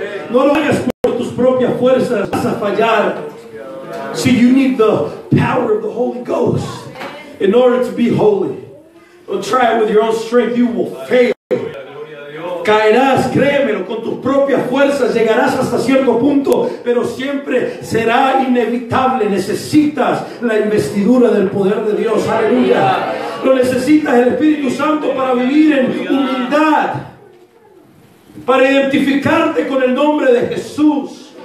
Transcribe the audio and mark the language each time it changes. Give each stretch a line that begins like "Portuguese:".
Spanish: No lo hagas por tus propias fuerzas, vas a fallar.
English: So you need the power of the Holy Ghost in order to be holy. Don't try it with your own strength, you will fail.
Spanish: Caerás, créemelo, con tus propias fuerzas llegarás hasta cierto punto, pero siempre será inevitable. Necesitas la investidura del poder de Dios. Aleluya. Lo necesitas, el Espíritu Santo, para vivir en humildad, para identificarte con el nombre de Jesús.